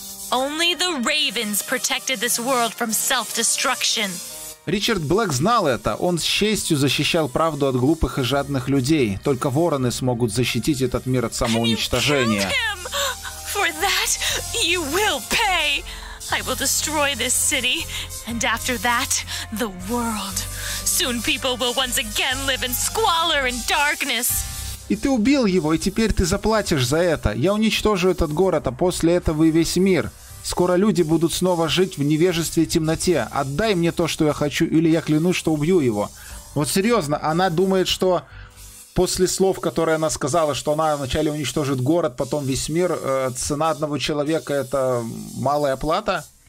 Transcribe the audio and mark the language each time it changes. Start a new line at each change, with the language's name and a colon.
English: Only the ravens protected this world from self-destruction.
Russian: Ричард Блэк знал это. Он с честью защищал правду от глупых и жадных людей. Только вороны смогут защитить этот мир от самоуничтожения.
English: And you killed him. For that you will pay. I will destroy this city, and after that, the world. Soon people will once again live in squalor and darkness.
Russian: И ты убил его, и теперь ты заплатишь за это. Я уничтожу этот город, а после этого и весь мир. Скоро люди будут снова жить в невежестве и темноте. Отдай мне то, что я хочу, или я клянусь, что убью его. Вот серьезно, она думает, что после слов, которые она сказала, что она вначале уничтожит город, потом весь мир, цена одного человека — это малая плата?